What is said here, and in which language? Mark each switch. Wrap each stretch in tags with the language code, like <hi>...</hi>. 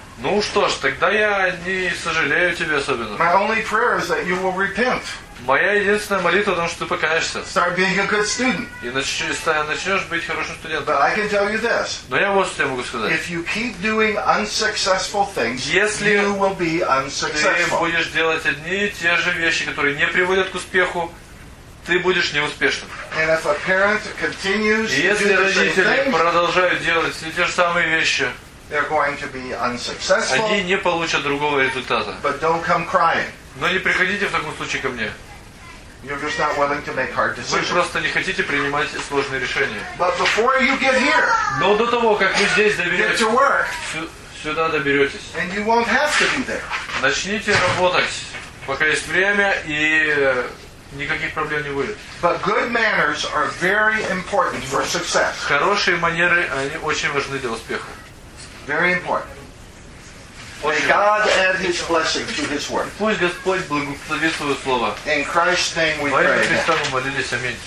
<ru>Ну что ж, тогда я не сожалею тебе особенно.</ru> <en>My only prayer is that you will repent.</en> <ru>Моя единственная молитва о том, что ты покаешься.</ru> <en>Start being a good student.</en> <ru>И начнешь быть хорошим студентом.</ru> <en>But I can tell you this.</en> <ru>Но я вот что я могу сказать.</ru> <en>If you keep doing unsuccessful things,</en> <ru>если</ru> <en>you will be unsuccessful.</en> <ru>Ты будешь делать одни и те же вещи, которые не приводят к успеху, ты будешь неуспешным.</ru> <en>And if a parent continues</en> <ru>и если родители продолжают делать все те же самые вещи,</ru> <en>they're going to be unsuccessful,</en> <ru>они не получат другого результата.</ru> <en>But don't come crying.</en> <ru>Но не приходите в таком случае ко мне.</ru> <en>You're just not willing to make hard decisions.</en> <ru>Вы просто не хотите принимать сложные решения.</ru> <en>But before you get here,</en> <ru>но до того, как вы здесь доберетесь,</ru> <en>get to work,</en> <ru>сюда доберетесь.</ru> <en>And you won't have to be there.</en> <ru>Начните работать, пока есть время, и никаких проблем не будет.</ru> <en>But good manners are very important for success.</en> <ru>Хорошие манеры, они очень важны для успеха.</ru> <en>Very important. May God add His blessing to His word.</en> <ru>Пусть Господь благословит Свое Слово.</ru> <en>In Christ's name we pray.</en> <ru>Во имя Христа мы молились. Аминь.</ru>